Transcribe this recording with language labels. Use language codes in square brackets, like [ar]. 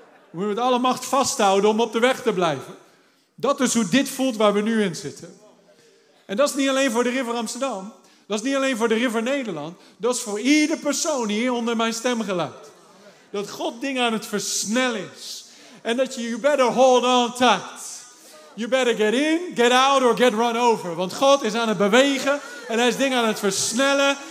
[nl] We moeten met alle macht vasthouden om op de weg te blijven. Dat is hoe dit voelt waar we nu in zitten. En dat is niet alleen voor de River Amsterdam. Dat is niet alleen voor de River Nederland. Dat is voor ieder persoon hier onder mijn stemgeluid. Dat God dingen aan het versnellen is. En dat je, [en] you better hold on tight. You better get in, get out or get run over. [nl] Want God is aan het bewegen en hij is dingen aan het versnellen.